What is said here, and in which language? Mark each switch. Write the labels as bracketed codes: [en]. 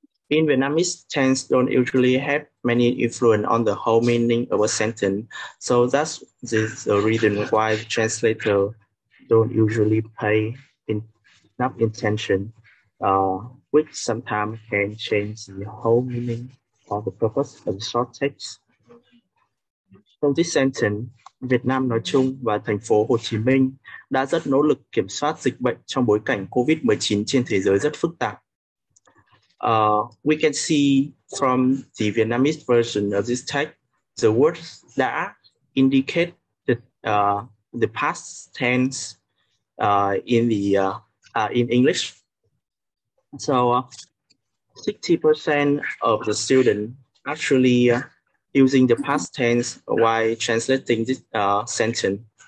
[en] In Vietnamese, tense don't usually have many influence on the whole meaning of a sentence. So that's the reason why the translator don't usually pay enough attention, which sometimes can change the whole meaning or the purpose of the short text. [vi] Trong this sentence, Việt Nam nói chung và thành phố Hồ Chí Minh đã rất nỗ lực kiểm soát dịch bệnh trong bối cảnh COVID-19 trên thế giới rất phức tạp. [en] We can see from the Vietnamese version of this text, the words đã indicate the past tense in English. So 60% of the students actually using the past tense while translating this sentence.